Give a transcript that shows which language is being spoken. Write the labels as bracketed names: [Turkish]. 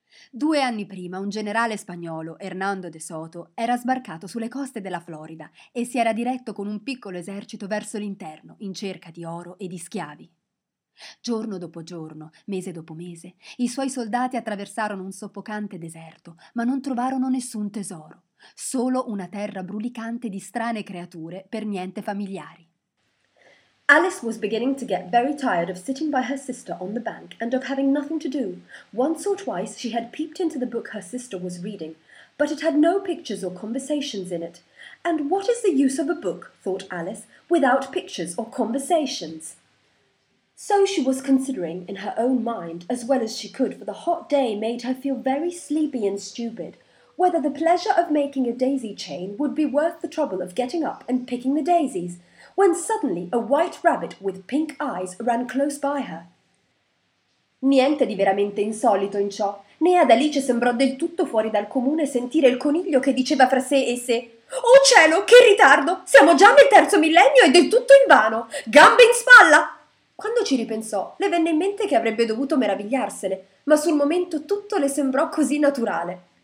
[Italian] 2 anni prima, un generale spagnolo, Hernando de Soto, era sbarcato sulle coste della Florida e si era diretto con un piccolo esercito verso l'interno, in cerca di oro e di schiavi. Giorno dopo giorno, mese dopo mese, i suoi soldati attraversarono un soffocante deserto, ma non trovarono nessun tesoro, solo una terra brulicante di strane creature per niente familiari. [English] Alice was beginning to get very tired of sitting by her sister on the bank and of having nothing to do. Once or twice she had peeped into the book her sister was reading, but it had no pictures or conversations in it. And what is the use of a book, thought Alice, without pictures or conversations? So she was considering in her own mind, as well as she could, for the hot day made her feel very sleepy and stupid, whether the pleasure of making a daisy chain would be worth the trouble of getting up and picking the daisies, when suddenly a white rabbit with pink eyes ran close by her. [Italian] Niente di veramente insolito in ciò, né ad Alice sembrò del tutto fuori dal comune sentire il coniglio che diceva fra sé e sé: «Oh cielo, che ritardo! Siamo già nel terzo millennio ed è tutto in vano! Gambe in spalla!» Quando ci ripensò, le venne in mente che avrebbe dovuto meravigliarsene, ma sul momento tutto le sembrò così naturale.